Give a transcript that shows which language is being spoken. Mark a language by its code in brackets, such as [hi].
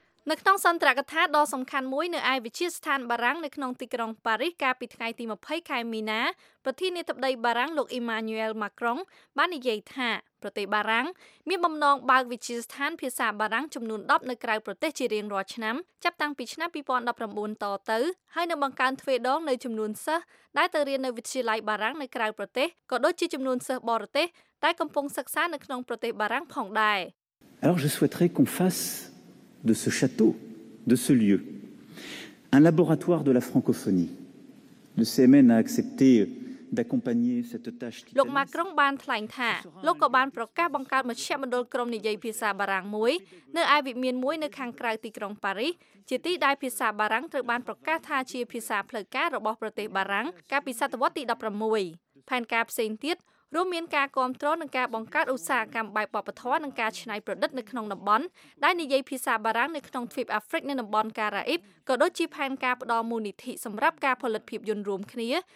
[km] នៅក្នុងសន្ទរកថាដ៏សំខាន់មួយនៅឯវិទ្យាស្ថានបារាំងនៅក្នុងទីក្រុងប៉ារីសកាលពីថ្ងៃទី20ខែមីនាប្រធានាធិបតីបារាំងលោក Emmanuel Macron បាននិយាយថាប្រទេសបារាំងមានបំណងបើកវិទ្យាស្ថានភាសាបារាំងចំនួន10នៅក្រៅប្រទេសជារៀងរាល់ឆ្នាំចាប់តាំងពីឆ្នាំ2019តទៅហើយនឹងបង្កើនទ្វេដងនៅចំនួនសិស្សដែលទៅរៀននៅវិទ្យាល័យបារាំងនៅក្រៅប្រទេសក៏ដូចជាចំនួនសិស្សបរទេសដែលកំពុងសិក្សានៅក្នុងប្រទេសបារាំងផងដែរ [fr] Alors je souhaiterais qu'on fassede ce château, de ce lieu, un laboratoire de la francophonie. Le CMN a accepté d'accompagner cette tâche. [km] លោក Macron បានថ្លែងថាលោកក៏បានប្រកាសបង្កើតមជ្ឈមណ្ឌលក្រុមនិយាយភាសាបារាំងមួយនៅឯវិមានមួយនៅខាងក្រៅទីក្រុងប៉ារីសជាទីដែលភាសាបារាំងត្រូវបានប្រកាសថាជាភាសាផ្លូវការរបស់ប្រទេសបារាំងកាលពីសតវត្សរ៍ទី16ផែនការផ្សេងទៀតរួមមានការគ្រប់គ្រងនិងការបង្កើតឧស្សាហកម្មបែបបពធនិងការច្នៃប្រឌិតនៅក្នុងតំបន់ដែលនិយាយភាសាបារាំងនៅក្នុងទ្វីបអាហ្វ្រិកនៅតំបន់ការ៉ាអ៊ីបក៏ដូចជាផែនការផ្តល់មូលនិធិសម្រាប់ការផលិតភាពយន្តរួមគ្នា